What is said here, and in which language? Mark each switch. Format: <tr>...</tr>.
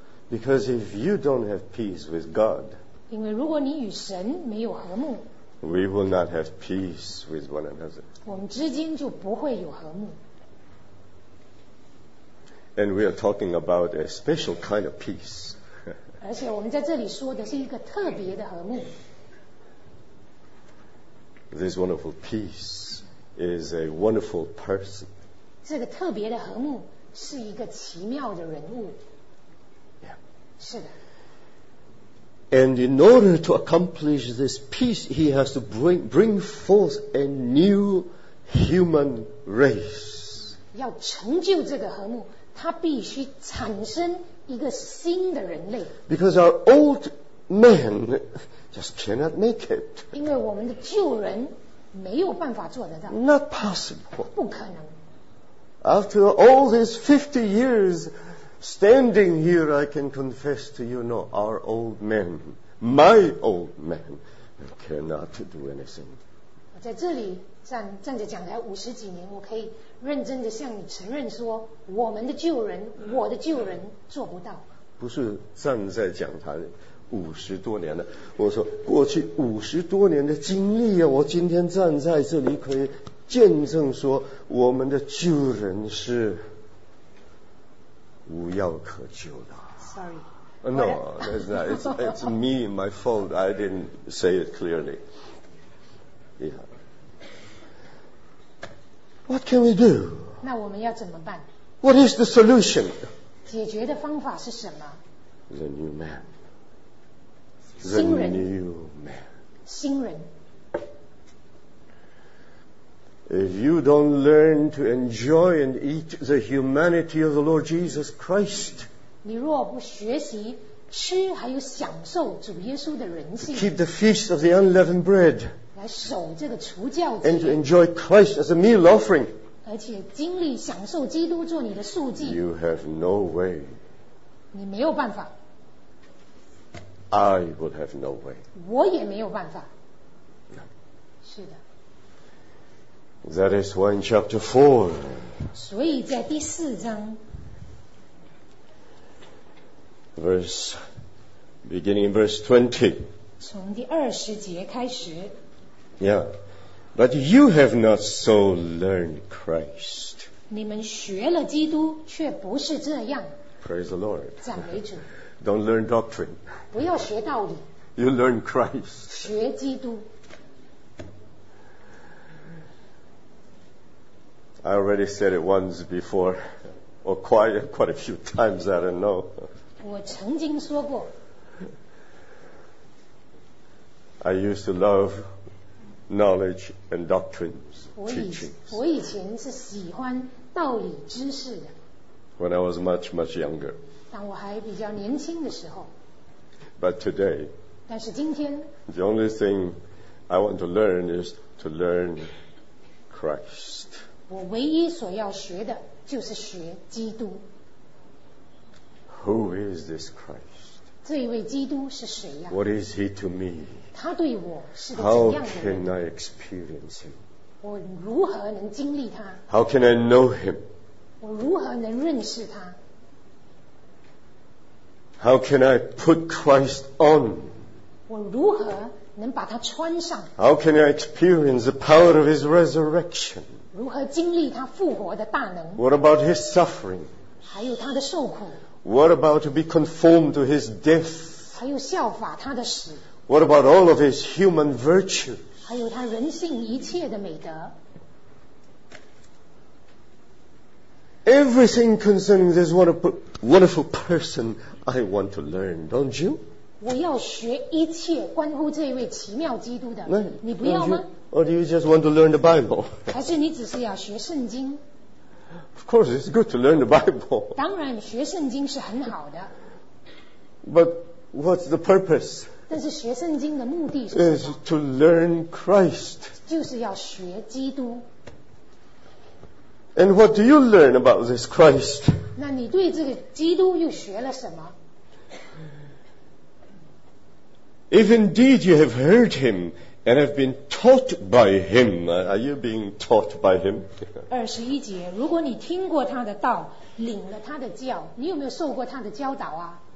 <en>Because if you don't have peace with God,</en> <zh>因为如果你与神没有和睦</zh> <en>，we will not have peace with one another.</en> <zh>我们之间就不会有和睦。</zh> <en>And we are talking about a special kind of peace.</en> <zh>而且我们在这里说的是一个特别的和睦。</zh> <en>This wonderful peace is a wonderful person.</en> <zh>这个特别的和睦是一个奇妙的人物。</zh> <en>Yeah.</en> <zh>是的。</zh> <en>And in order to accomplish this peace, he has to bring forth a new human race.</en> <zh>要成就这个和睦，他必须产生一个新的人类。</zh> <en>Because our old man just cannot make it.</en> <zh>因为我们的旧人没有办法做得到。</zh> <en>Not possible.</en> <zh>不可能。</zh> <en>After all these 50 years standing here, I can confess to you, no, our old man, my old man, cannot do anything.</en> <zh>我在这里站着讲台50几年，我可以认真的向你承认说，我们的旧人，我的旧人做不到。不是站在讲台五十多年了，我说过去五十多年的经历啊，我今天站在这里可以见证说，我们的旧人是无药可救的。</zh> <en>Sorry. No, that's not. It's me, my fault. I didn't say it clearly. Yeah. What can we do?</en> <zh>那我们要怎么办？</zh> <en>What is the solution?</en> <zh>解决的方法是什么？</zh> <en>The new man.</en> <zh>新人。</zh> <en>The new man.</en> <zh>新人。</zh> <en>If you don't learn to enjoy and eat the humanity of the Lord Jesus Christ,</en> <zh>你若不学习吃还有享受主耶稣的人性，</zh> <en>keep the feast of the unleavened bread,</en> <zh>来守这个除酵节，</zh> <en>and to enjoy Christ as a meal offering,</en> <zh>而且经历享受基督做你的素祭，</zh> <en>you have no way,</en> <zh>你没有办法，</zh> <en>I would have no way,</en> <zh>我也没有办法。</zh> <en>That is why in chapter 4,</en> <zh>所以在第四章</zh> <en>beginning in verse 20,</en> <zh>从第二十节开始。</zh> <en>Yeah, but you have not so learned Christ.</en> <zh>你们学了基督，却不是这样。</zh> <en>Praise the Lord.</en> <zh>赞美主。</zh> <en>Don't learn doctrine.</en> <zh>不要学道理。</zh> <en>You learn Christ.</en> <zh>学基督。</zh> <en>I already said it once before, or quite a few times, I don't know.</en> <zh>我曾经说过。</zh> <en>I used to love knowledge and doctrines, teachings.</en> <zh>我以前是喜欢道理知识的。</zh> <en>When I was much, much younger.</en> <zh>当我还比较年轻的时候。</zh> <en>But today,</en> <zh>但是今天，</zh> <en>the only thing I want to learn is to learn Christ.</en> <zh>我唯一所要学的就是学基督。</zh> <en>Who is this Christ?</en> <zh>这一位基督是谁呀？</zh> <en>What is he to me?</en> <zh>他对我是个怎样的人？</zh> <en>How can I experience him?</en> <zh>我如何能经历他？</zh> <en>How can I know him?</en> <zh>我如何能认识他？</zh> <en>How can I put Christ on?</en> <zh>我如何能把他穿上？</zh> <en>How can I experience the power of his resurrection?</en> <zh>如何经历他复活的大能？</zh> <en>What about his suffering?</en> <zh>还有他的受苦？</zh> <en>What about to be conformed to his death?</en> <zh>还有效法他的死？</zh> <en>What about all of his human virtues?</en> <zh>还有他人性一切的美德？</zh> <en>Everything concerning this wonderful person I want to learn, don't you?</en> <zh>我要学一切关乎这位奇妙基督的。</zh> <en>No,</en> <zh>你不要吗？</zh> <en>Or do you just want to learn the Bible?</en> <zh>还是你只是要学圣经？</zh> <en>Of course, it's good to learn the Bible.</en> <zh>当然，学圣经是很好的。</zh> <en>But what's the purpose?</en> <zh>但是学圣经的目的是什么？</zh> <en>Is to learn Christ.</en> <zh>就是要学基督。</zh> <en>And what do you learn about this Christ?</en> <zh>那你对这个基督又学了什么？</zh> <en>If indeed you have heard him, And have been taught by him. Are you being taught by him?</en> <zh>21节，如果你听过他的道，领了他的教，你有没有受过他的教导啊？</zh>